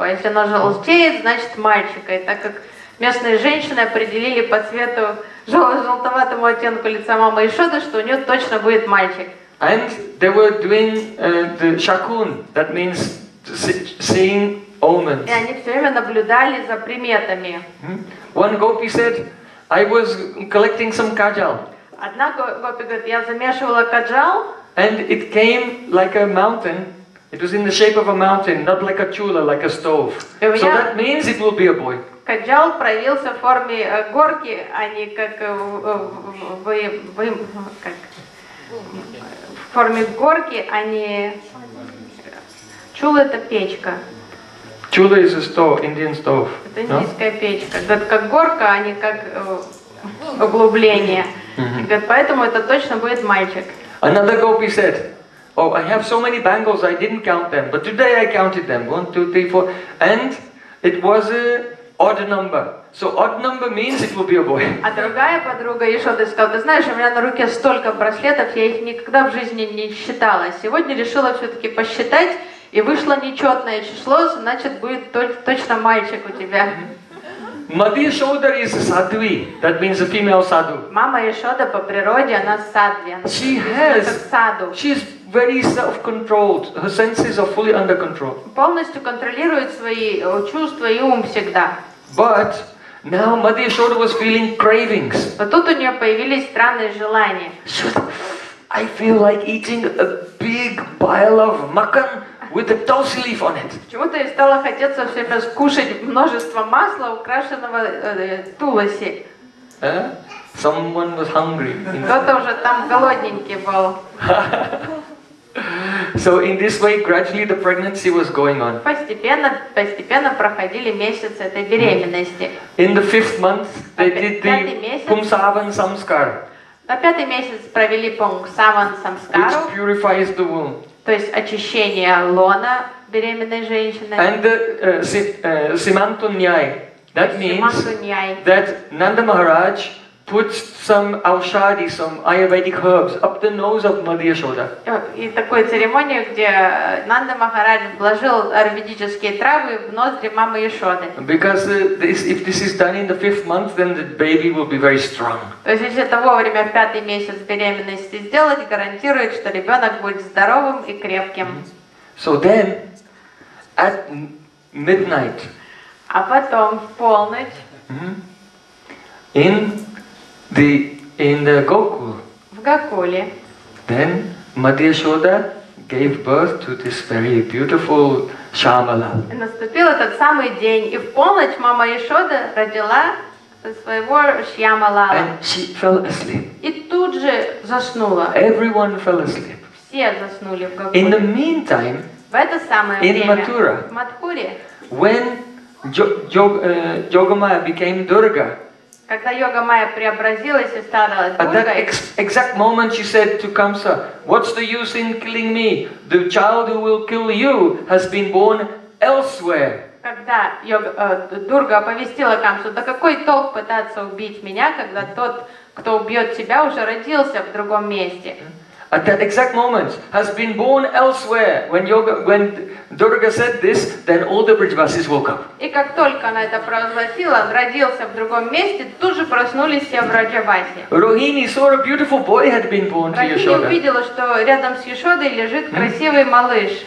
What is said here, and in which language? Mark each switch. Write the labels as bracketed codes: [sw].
[ru] А если она желтеет, значит мальчика. И так как местные женщины определили по цвету желтоватому оттенку лица мамы Ешоды, что у нее точно будет мальчик. [en] And they were doing the shakun, that means seeing omens. [ru] И они все время наблюдали за приметами. [en] One gopi said, I was collecting some kajal. [ru] Одна гопи говорит, я замешивала каджал. [en] And it came like a mountain. It was in the shape of a mountain, not like a chula, like a stove. So that means it will be a boy. [ru] Каджал проявился в форме горки, а не как в форме горки, а не чула это печка. [en] Chula is a stove, Indian stove. [ru] Это индийская печка. Это как горка, а не как углубление. Говорит, поэтому это точно будет мальчик. [en] Another gopi said, oh, I have so many bangles, I didn't count them, but today I counted them. 1, 2, 3, 4. And it was an odd number. So odd number means it will be a boy. [ru] А другая подруга Ешоды сказала, ты знаешь, у меня на руке столько браслетов, я их никогда в жизни не считала. Сегодня решила все-таки посчитать, и вышло нечетное число, значит, будет точно мальчик у тебя. [en] Mother Yashoda is a sadhvi, that means a female sadhu. [ru] Мама Яшода по природе, она садви. [en] She is very self-controlled. Her senses are fully under control. [ru] Полностью контролирует свои чувства и ум всегда. [en] But now Mother Yashoda was feeling cravings. [ru] Но тут у нее появились странные желания. [en] I feel like eating a big pile of makan with a tulsi leaf on it. [ru] Чего-то ей стало хотеться все время скушать множество масла, украшенного туласи. [en] Someone was hungry. [ru] Кто-то уже там голодненький был. [en] So in this way, gradually the pregnancy was going on. [ru] Постепенно проходили месяцы этой беременности. [en] In the fifth month, they did the Pumsavan Samskar. [ru] На пятый месяц провели Пумсаван Самскару. [en] Which purifies the womb. [ru] То есть очищение лона беременной женщины. [en] And the Simantu Nyai. That means that Nanda Maharaj put some aushadi, some Ayurvedic herbs up the nose of Mother Yashoda. [ru] И такую церемонию, где Нанда Махарадж вложил аюрведические травы в ноздри мамы Яшоды. [en] Because if this is done in the fifth month, then the baby will be very strong. [ru] То есть если это вовремя в пятый месяц беременности сделать, гарантирует, что ребенок будет здоровым и крепким. [en] So then, at midnight. [ru] А потом в полночь. [en] In the Gokul. [ru] В Гокуле. [en] Then Mother Yashoda gave birth to this very beautiful Shyamala. [ru] И наступил этот самый день, и в полночь мама Яшода родила своего Шьямала. [en] And she fell asleep. [ru] И тут же заснула. [en] Everyone fell asleep. [ru] Все заснули в Гокуле. [en] In the meantime. [ru] В это самое [en] in [ru] время. [en] In Mathura. [ru] В Матхуре. [en] When Yogamaya became Durga. [ru] Когда йога майя преобразилась и стала Буддой. [en] At that exact moment she said to Kamsa, "What's the use in killing me? The child who will kill you has been born elsewhere." [ru] Когда Дурга оповестила Камсу, да какой толк пытаться убить меня, когда тот, кто убьет тебя, уже родился в другом месте. [en] At that exact moment has been born elsewhere. When Durga said this, then all the Brijvasis woke up. [ru] И как только она это провозгласила, родился в другом месте, тут же проснулись все Брижваси. [en] Rohini saw a beautiful boy had been born to Yashoda. [ru] Rohini увидела, что рядом с Яшодой лежит красивый малыш.